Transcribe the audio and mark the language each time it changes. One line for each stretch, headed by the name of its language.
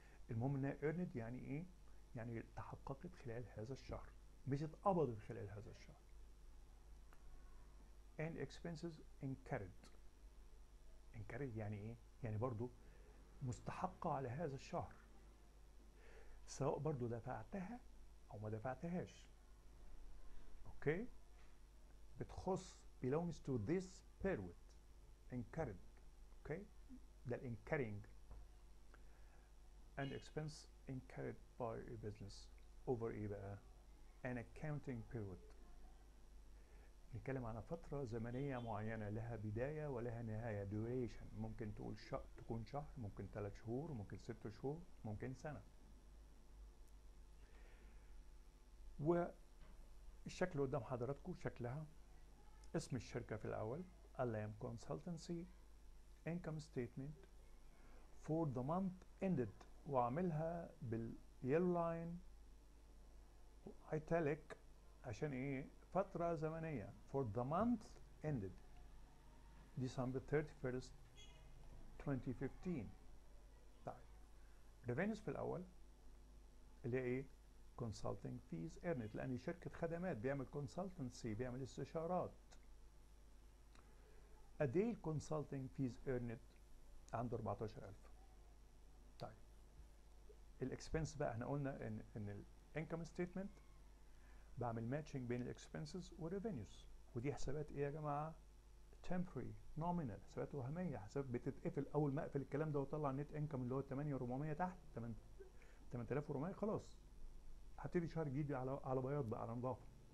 Arabic: المهم انها earned يعني ايه؟ يعني تحققت خلال هذا الشهر، مش اتقبضت خلال هذا الشهر.
English: and expenses incurred.
Arabic: incurred يعني ايه؟ يعني برضو مستحقة على هذا الشهر، سواء برضو دفعتها او ما دفعتهاش. اوكي؟ بتخص
English: belongs to this period. incurred.
Arabic: اوكي؟ ده الـ incurring.
English: An expense incurred by a business over an accounting period.
Arabic: نتكلم عن فترة زمنية معينة لها بداية ولها نهاية، duration. ممكن تقول تكون شهر، ممكن 3 شهور، ممكن 6 شهور، ممكن سنة. والشكل قدام حضراتكم شكلها، اسم الشركة في الأول Alam Consultancy.
English: Income statement for the month ended،
Arabic: واعملها باليلو لاين ايتاليك عشان ايه؟ فترة زمنية.
English: for the month ended December 31st 2015.
Arabic: طيب revenues في الاول اللي هي ايه؟
English: consulting fees earned،
Arabic: لان شركة خدمات بيعمل consultancy، بيعمل استشارات. ادي
English: consulting fees earned
Arabic: عنده 14,000. الاكسبنس بقى احنا قلنا ان الانكم ستيتمنت بعمل ماتشنج بين الاكسبنسز والريفينيوز، ودي حسابات ايه يا جماعه؟ تمبري نومينال، حسابات وهميه، حسابات بتتقفل اول ما اقفل الكلام ده واطلع النت انكم اللي هو 8400 تحت 8400 خلاص هبتدي شهر جديد على بياض بقى على نظافه.